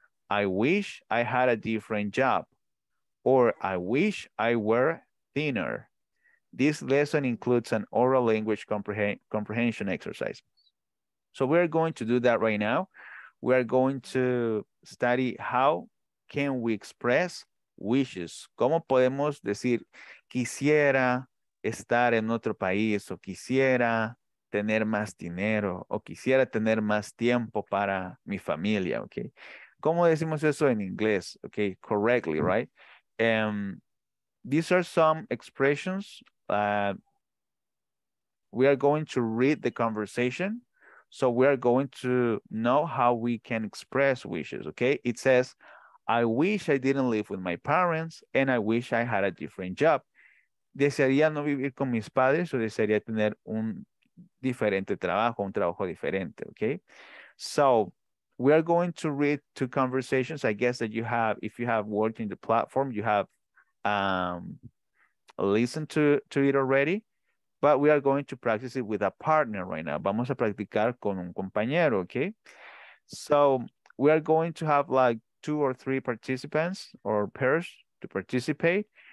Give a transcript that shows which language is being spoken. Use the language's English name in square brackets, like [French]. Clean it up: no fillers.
[English] I wish I had a different job. Or I wish I were thinner. This lesson includes an oral language comprehension exercise. So we're going to do that right now. We're going to study how can we express wishes. [Spanish] ¿Cómo podemos decir quisiera estar en otro país, o quisiera tener más dinero, o quisiera tener más tiempo para mi familia, okay? ¿Cómo decimos eso en inglés? [English] Okay, correctly, right? These are some expressions. We are going to read the conversation, so we are going to know how we can express wishes, okay? It says, I wish I didn't live with my parents, and I wish I had a different job. [Spanish] Desearía no vivir con mis padres, o desearía tener un diferente trabajo, un trabajo diferente, okay? [English] So we are going to read two conversations. I guess that you have, if you have worked in the platform, you have listened to it already, but we are going to practice it with a partner right now. [Spanish] Vamos a practicar con un compañero, [English] okay? So we are going to have like two or three participants or pairs to participate.